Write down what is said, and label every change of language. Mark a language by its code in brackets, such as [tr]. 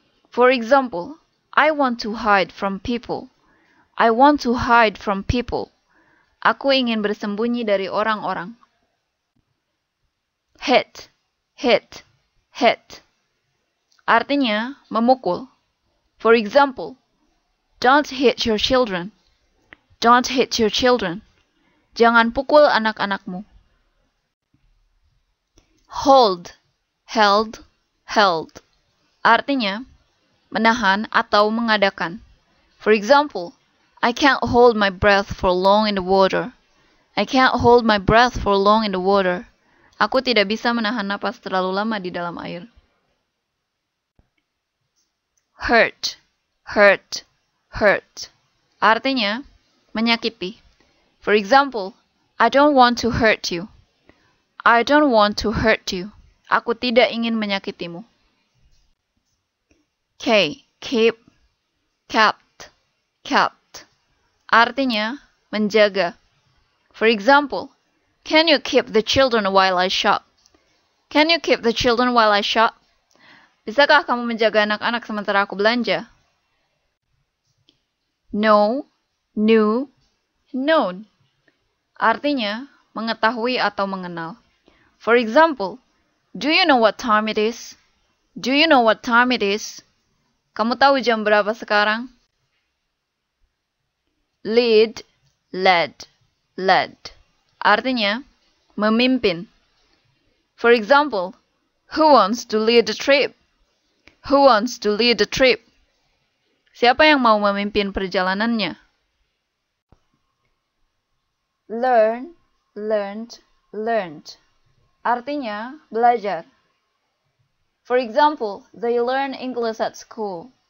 [en] For example, I want to hide from people. I want to hide from people. [id] Aku ingin bersembunyi dari orang-orang. [en] Hit, hit, hit. [id] Artinya, memukul. [en] For example, don't hit your children. Don't hit your children. [id] Jangan pukul anak-anakmu. [en] Hold, held, held. [id] Artinya, menahan atau mengadakan. [en] For example, I can't hold my breath for long in the water. I can't hold my breath for long in the water. [id] Aku tidak bisa menahan napas terlalu lama di dalam air. [en] Hurt, hurt, hurt. [id] Artinya, menyakiti. [en] For example, I don't want to hurt you. I don't want to hurt you. Aku tidak ingin menyakitimu. K, keep, kept, kept. [id] artinya menjaga. [en] For example, can you keep the children while I shop? Can you keep the children while I shop? [id] Bisakah kamu menjaga anak-anak sementara aku belanja? [en] No, new, known. [id] Artinya, mengetahui atau mengenal. [en] For example, do you know what time it is? Do you know what time it is? [id] Kamu tahu jam berapa sekarang? [en] Lead, led, led. [id] Artinya, memimpin. [en] For example, who wants to lead the trip? Who wants to lead the trip? [id] Siapa yang mau memimpin perjalanannya? [en] Learn, learned, learned. [id] Artinya, belajar. [en] For example, they learn English at school.